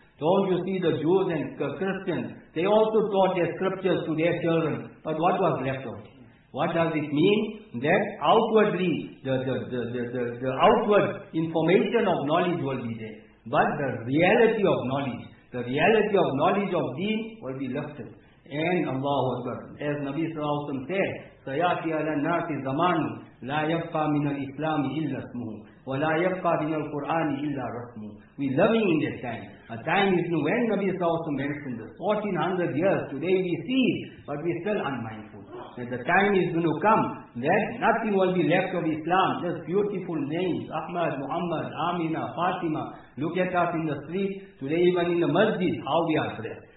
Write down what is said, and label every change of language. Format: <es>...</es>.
<en>Don't you see the Jews and Christians, they also taught their scriptures to their children. But what was left out? What does it mean? That outwardly, the outward information of knowledge will be there. But the reality of knowledge, the reality of knowledge of deen will be lifted. And Allahu Akbar. As Nabi sallallahu alaihi wasallam said,</en> <ar>سَيَاتِ عَلَى النَّاسِ زَمَانٌ لَا يَبْقَى مِنَ الْإِسْلَامِ إِلَّا اسْمُهُ وَلَا يَبْقَى مِنَ الْقُرْآنِ إِلَّا رَسْمُهُ.</ar> <en>We living in this time. A time is new. When Nabi Sallallahu Alaihi Wasallam mentioned this, 1400 years, today we see it, but we are still unmindful. That the time is going to come, that nothing will be left of Islam, just beautiful names, Ahmad, Muhammad, Amina, Fatima. Look at us in the street, today even in the masjid, how we are dressed.</en>